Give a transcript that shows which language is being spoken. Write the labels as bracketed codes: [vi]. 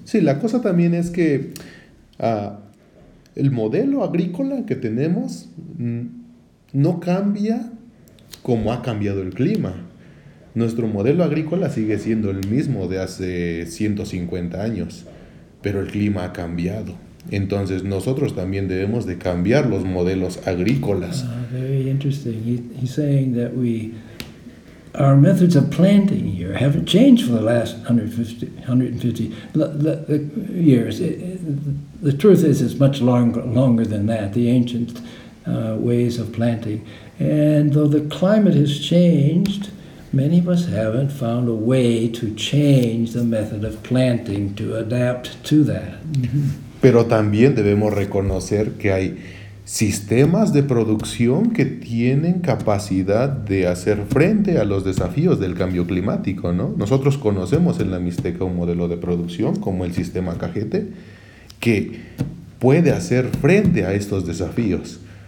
[es] Sí, la cosa también es que el modelo agrícola que tenemos no cambia como ha cambiado el clima. Nuestro modelo agrícola sigue siendo el mismo de hace 150 años, pero el clima ha cambiado. Entonces nosotros también debemos de cambiar los modelos agrícolas. [en] Very interesting. He's saying that our methods of planting here haven't changed for the last 150 years. The truth is it's much longer than that, the ancient ways of planting. And though the climate has changed, many of us haven't found a way to change the method of planting to adapt to that. [es] Pero también debemos reconocer que hay sistemas de producción que tienen capacidad de hacer frente a los desafíos del cambio climático, ¿no? Nosotros conocemos en la Mixteca un modelo de producción como el sistema cajete que puede hacer frente a estos desafíos.